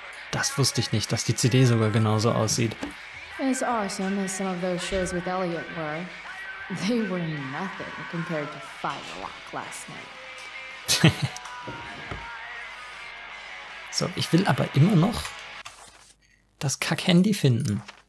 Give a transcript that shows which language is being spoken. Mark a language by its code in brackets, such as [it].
[de] Das wusste ich nicht, dass die CD sogar genauso aussieht. [en] As awesome as some of those shows with Elliot were, they were nothing compared to Firewalk last night. [de] So, ich will aber immer noch das Kack-Handy finden.